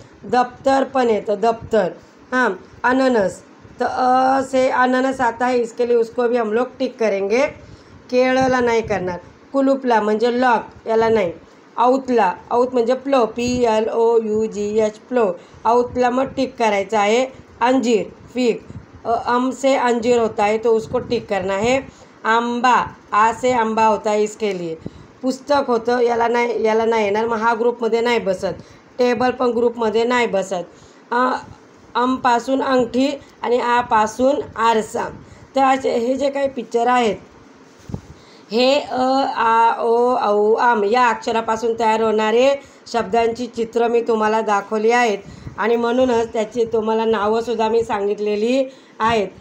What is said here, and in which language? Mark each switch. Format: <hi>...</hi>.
<mr>दप्तर पण येतं, दप्तर। हां, अननस, तर असे अननस आता है,</mr> <hi>इसके लिए उसको भी हम लोग टिक करेंगे।</hi> <mr>केळला नाही करणार। कुलूपला म्हणजे लॉक, याला नाही। आउतला, आउत म्हणजे प्लो, PLOUGH प्लो, आउतला मग टिक करायचं आहे.</mr> <hi>अंजीर फिक, अम से अंजीर होता है तो उसको टिक करना है. आंबा, आ से आंबा होता है इसके लिए.</hi> <mr>पुस्तक होतं याला नाही, याला नाही येणार, मग हा ग्रुपमध्ये नाही बसत. टेबल पण ग्रुपमध्ये नाही बसत. अमपासून अंगठी आणि आपासून आरसा. तर असे हे जे काही पिक्चर आहेत हे अ आ ओ औ आम या अक्षरापासून तयार होणारे शब्दांची चित्रं मी तुम्हाला दाखवली आहेत आणि म्हणूनच त्याची तुम्हाला नावंसुद्धा मी सांगितलेली आहेत.</mr>